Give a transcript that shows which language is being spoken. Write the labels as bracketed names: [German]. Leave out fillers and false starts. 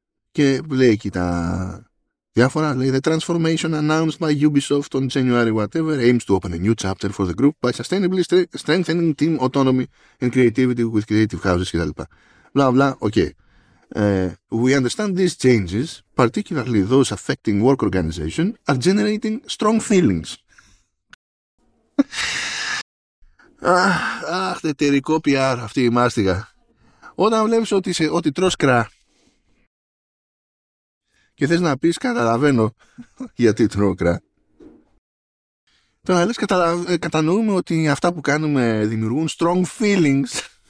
[Greek] Και λέει εκεί τα διάφορα. Λέει: [English] The transformation announced by Ubisoft on January whatever aims to open a new chapter for the group by sustainably strengthening team autonomy and creativity with creative houses κτλ. [Greek] Μπλα μπλα, ok. [English] We understand these changes, particularly those affecting work organization, are generating strong feelings. [Greek] Αχ, εταιρικό PR αυτή η μάστιγα. Όταν βλέπεις ότι τρως κρά και θες να πεις καταλαβαίνω γιατί τρώω κρά, τώρα λες κατανοούμε ότι αυτά που κάνουμε δημιουργούν strong feelings.